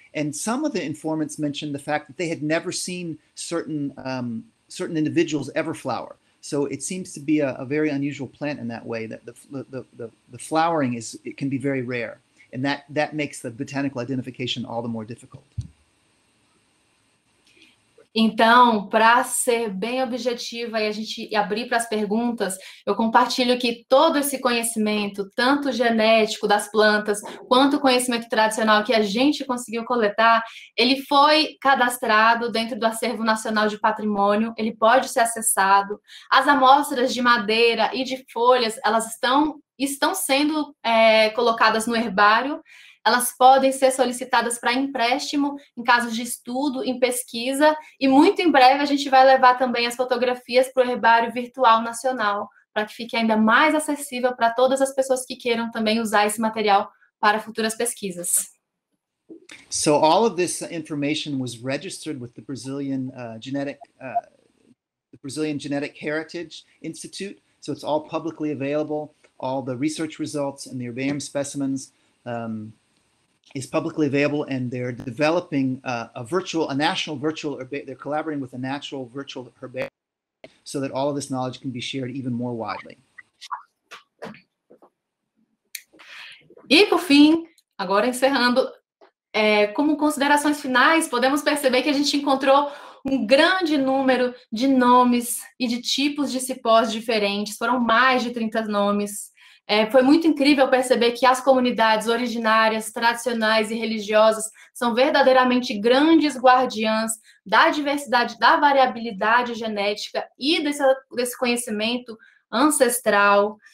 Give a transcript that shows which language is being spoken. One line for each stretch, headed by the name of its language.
English: And some of the informants mentioned the fact that they had never seen certain individuals ever flower. So it seems to be a very unusual plant in that way, that the flowering it can be very rare. And that makes the botanical identification all the more difficult.
Portuguese: Então, para ser bem objetiva e a gente abrir para as perguntas, eu compartilho que todo esse conhecimento, tanto genético das plantas, quanto o conhecimento tradicional que a gente conseguiu coletar, ele foi cadastrado dentro do Acervo Nacional de Patrimônio, ele pode ser acessado. As amostras de madeira e de folhas, elas estão sendo colocadas no herbário. Elas podem ser solicitadas para empréstimo em casos de estudo, em pesquisa, e muito em breve a gente vai levar também as fotografias para o Herbário Virtual Nacional, para que fique ainda mais acessível para todas as pessoas que queiram também usar esse material para futuras pesquisas.
English: So all of this information was registered with the Brazilian Genetic Heritage Institute, so it's all publicly available, all the research results and the herbarium specimens is publicly available, and they're developing they're collaborating with a natural virtual herbarium so that all of this knowledge can be shared even more widely.
Portuguese: E por fim, agora encerrando, como considerações finais, podemos perceber que a gente encontrou um grande número de nomes e de tipos de cipós diferentes, foram mais de 30 nomes. Foi muito incrível perceber que as comunidades originárias, tradicionais e religiosas são verdadeiramente grandes guardiãs da diversidade, da variabilidade genética e desse conhecimento ancestral.